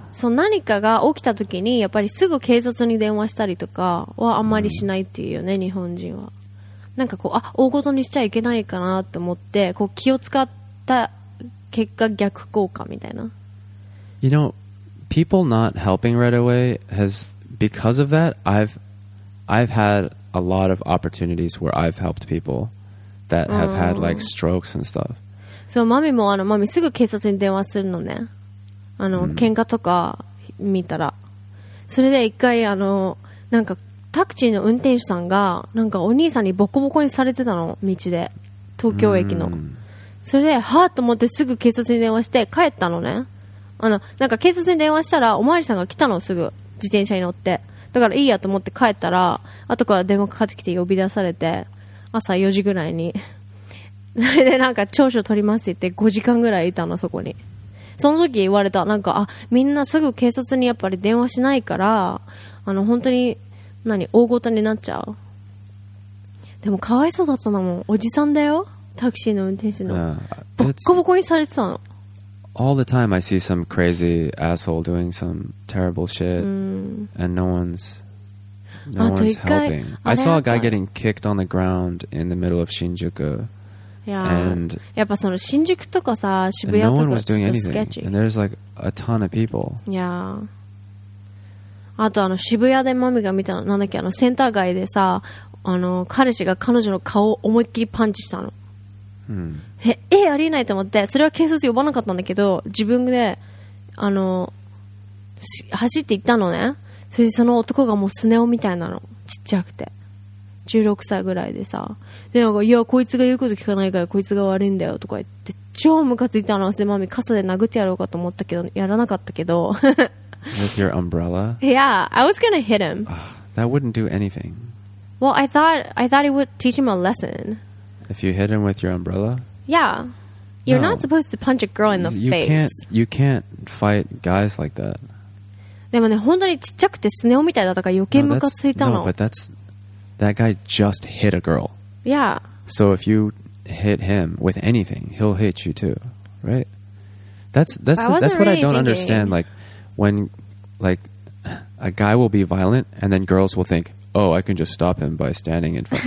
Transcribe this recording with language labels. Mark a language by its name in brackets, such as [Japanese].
[Japanese] そう何かが起きた時にやっぱりすぐ警察に電話したりとかはあんまりしないっていうよね、日本人は。なんかこう、あ、大事にしちゃいけないかなと思ってこう気を使った結果逆効果みたいな。 [English] You know, people not helping right away has, because of that, I've had a lot of opportunities where I've helped people that have had like strokes and stuff. [Japanese] そう、マミもマミすぐ警察に電話するのね。喧嘩とか見たら。それで一回なんかタクシーの運転手さんが、なんかお兄さんにボコボコにされてたの、道で。東京駅の。それで、はぁと思ってすぐ警察に電話して帰ったのね。なんか警察に電話したら、おまわりさんが来たの、すぐ。自転車に乗って。だからいいやと思って帰ったら、後から電話かかってきて呼び出されて、朝4時ぐらいに。それでなんか調書取りますって5時間ぐらいいたのそこに。その時言われた、なんかあ、みんなすぐ警察にやっぱり電話しないから、本当に何大事になっちゃう。でもかわいそうだったのもおじさんだよ、タクシーの運転手の、ボッコボコにされてたの。 [English] All the time I see some crazy asshole doing some terrible shit、and no one's helping. I saw a guy getting kicked on the ground in the middle of Shinjuku. Yeah. [Japanese] And やっぱその新宿とかさ、渋谷とかちょっとスケッチ。 [English] And there's like a ton of people. Yeah. [Japanese] あと渋谷でマミが見たの、なんだっけ、センター街でさ、彼氏が彼女の顔を思いっきりパンチしたの。ありえないと思って、それは警察呼ばなかったんだけど、自分で、走って行ったのね。それでその男がもうスネ夫みたいなの。ちっちゃくて。16歳ぐらいでさ、でなんか、いや、こいつが言うこと聞かないからこいつが悪いんだよとか言って、超ムカついたの。でマミ傘で殴ってやろうかと思ったけど、やらなかったけど。 [English] With your umbrella? Yeah, I was gonna hit him. That wouldn't do anything. Well, I thought it would teach him a lesson. If you hit him with your umbrella? Yeah. You're not supposed to punch a girl in the face. You can't fight guys like that. [Japanese] でもね、本当にちっちゃくてスネ夫みたいだったから余計ムカついたの。 [English] No, but that'sThat guy just hit a girl. Yeah. So if you hit him with anything, he'll hit you too, right? That's what I don't understand. Like, when, like, a guy will be violent and then girls will think, oh, I can just stop him by standing in front.